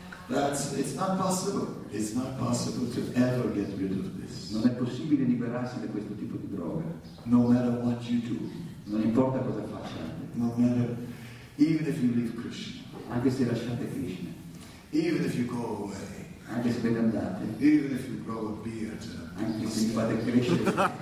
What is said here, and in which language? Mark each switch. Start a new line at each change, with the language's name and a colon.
English: It's not possible to ever get rid of this.
Italian: Non è possibile liberarsi da questo tipo di droga.
English: No matter what you do.
Italian: Non importa cosa faccia.
English: No matter, even if you leave Krishna.
Italian: Anche se lasciate Krishna.
English: Even if you go away.
Italian: Anche se ve ne andate.
English: Even if you grow a beard.
Italian: Anche se vi fate crescere.